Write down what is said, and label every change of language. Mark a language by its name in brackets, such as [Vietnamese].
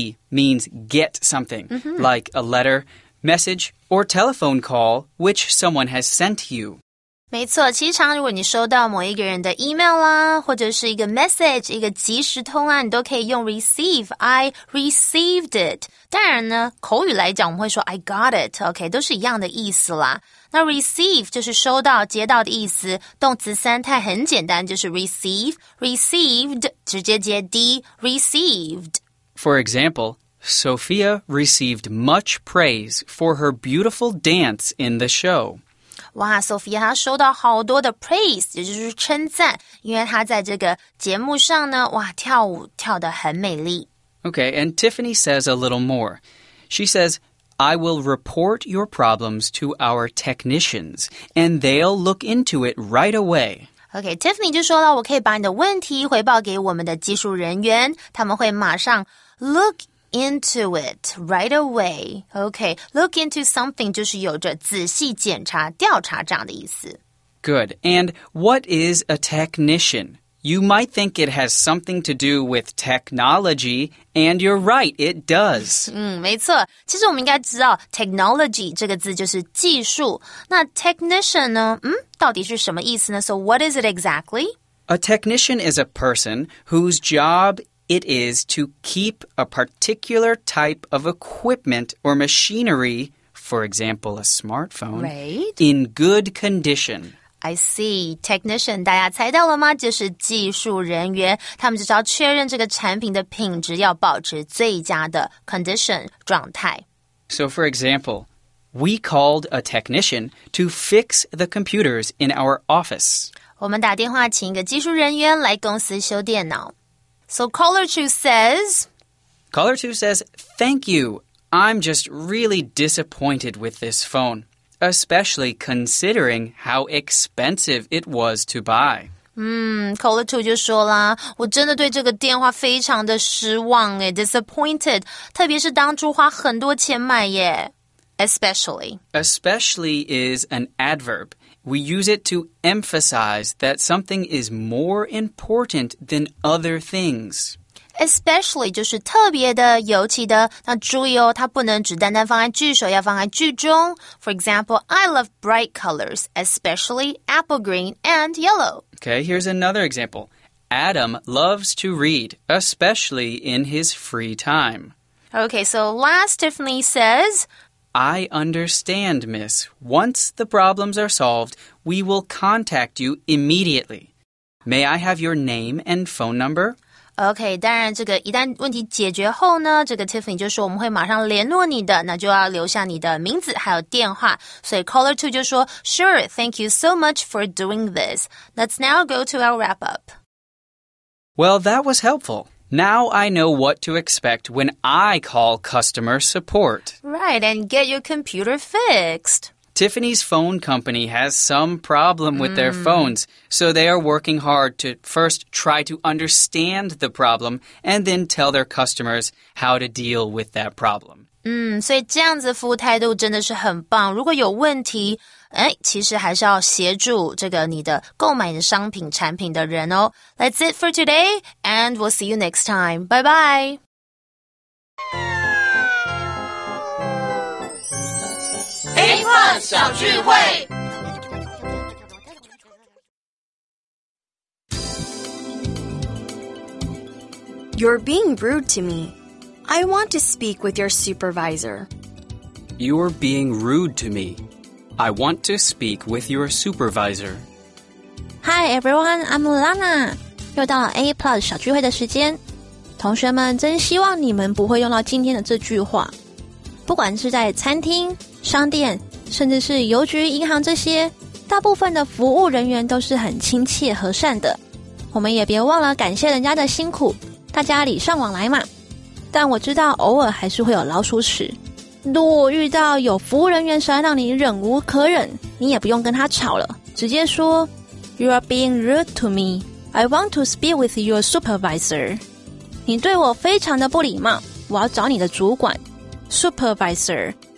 [English] means get something, like a letter, message, or telephone call, which someone has sent you. [Chinese] 没错，其实常如果你收到某一个人的 email 啦，或者是一个 message, 一个即时通啊，你都可以用 receive, [English] I received it. [Chinese] 当然呢，口语来讲我们会说 [English] I got it, OK, [Chinese] 都是一样的意思啦。那 receive 就是收到、接到的意思。动词三态很简单，就是 receive, received, 直接接 D, received. [English] For example, Sophia received much praise for her beautiful dance in the show. [Chinese] 哇 ,Sophia 她收到好多的 praise, 也就是称赞。因为她在这个节目上呢，哇，跳舞跳得很美丽。 [English] Okay, and Tiffany says a little more. She says... I will report your problems to our technicians, and they'll look into it right away. [Chinese] Okay, Tiffany 就说了，我可以把你的问题回报给我们的技术人员，他们会马上 [English] look into it right away. [Chinese] Okay, look into something 就是有着仔细检查、调查这样的意思。 [English] Good. And what is a technician? You might think it has something to do with technology,And you're right, it does. [Chinese] 没错。其实我们应该知道 technology 这个字就是技术。那 technician 呢、到底是什么意思呢 ? [English] So what is it exactly? A technician is a person whose job it is to keep a particular type of equipment or machinery, for example, a smartphone,、 right? in good condition. I see. [Chinese] Technician, 大家猜到了吗？就是技术人员，他们就是要确认这个产品的品质要保持最佳的 condition 状态。 [English] So for example, we called a technician to fix the computers in our office. [Chinese] 我们打电话请一个技术人员来公司修电脑。 [English] So caller 2 says... Caller 2 says, thank you. I'm just really disappointed with this phone. Especially considering how expensive it was to buy. [Chinese] Caller 2就说啦，我真的对这个电话非常的失望耶 ,disappointed, 特别是当初花很多钱买耶。 [English] Especially. Especially is an adverb. We use it to emphasize that something is more important than other things. [Chinese] Especially 就是特别的尤其的那注意哦它不能只单单放在句首要放在句中 [English] For example, I love bright colors, especially apple green and yellow. Okay, here's another example. Adam loves to read, especially in his free time. Okay, so last Tiffany says, I understand, miss. Once the problems are solved, we will contact you immediately. May I have your name and phone number? [Chinese] OK, 当然这个一旦问题解决后呢这个 Tiffany 就说我们会马上联络你的那就要留下你的名字还有电话。所以 Caller 2就说 [English] Sure, thank you so much for doing this. Let's now go to our wrap-up. Well, that was helpful. Now I know what to expect when I call customer support. Right, and get your computer fixed. Tiffany's phone company has some problem with their phones, so they are working hard to first try to understand the problem and then tell their customers how to deal with that problem. [Chinese] 所以这样子服务态度真的是很棒。如果有问题，其实还是要协助这个你的购买的商品产品的人哦。 [English] That's it for today, and we'll see you next time. Bye-bye! You're being rude to me. I want to speak with your supervisor. You're being rude to me. I want to speak with your supervisor. Hi everyone, I'm Lana. [Chinese] 又到了 A Plus 小聚会的时间。同学们，真希望你们不会用到今天的这句话。不管是在餐厅、商店。甚至是邮局、银行这些，大部分的服务人员都是很亲切和善的。我们也别忘了感谢人家的辛苦，大家礼尚往来嘛。但我知道偶尔还是会有老鼠屎。如果遇到有服务人员实在让你忍无可忍，你也不用跟他吵了，直接说 [English] You are being rude to me. I want to speak with your supervisor. [Chinese] 你对我非常的不礼貌，我要找你的主管 Supervisor.S-U-P-E-R-V-I-S-O-R